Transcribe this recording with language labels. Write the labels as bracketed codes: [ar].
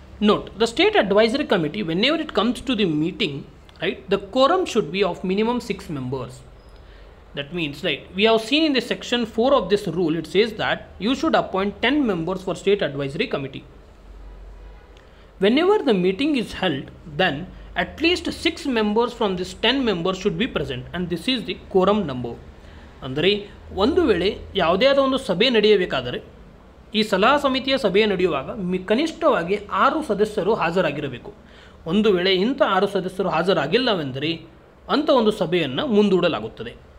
[en] Note, the state advisory committee whenever it comes to the meeting right, the quorum should be of minimum 6 members. That means right, we have seen in the section 4 of this rule, it says that you should appoint 10 members for state advisory committee. Whenever the meeting is held, then at least 6 members from this 10 members should be present, and this is the quorum number. [kn] ಅಂದರೆ ಒಂದು ವೇಳೆ ಯಾವುದೇ ಆದ ಒಂದು ಸಭೆ ನಡೆಯಬೇಕಾದರೆ, ಈ ಸಲಹಾ ಸಮಿತಿಯ ಸಭೆಯ ನಡೆಯುವಾಗ ಕನಿಷ್ಠವಾಗಿ 6 ಸದಸ್ಯರು ಹಾಜರಾಗಿರಬೇಕು. ಒಂದು ವೇಳೆ ಇಂಥ 6 ಸದಸ್ಯರು ಹಾಜರಾಗಿಲ್ಲವೆಂದರೆ ಅಂಥ ಒಂದು ಸಭೆಯನ್ನು ಮುಂದೂಡಲಾಗುತ್ತದೆ.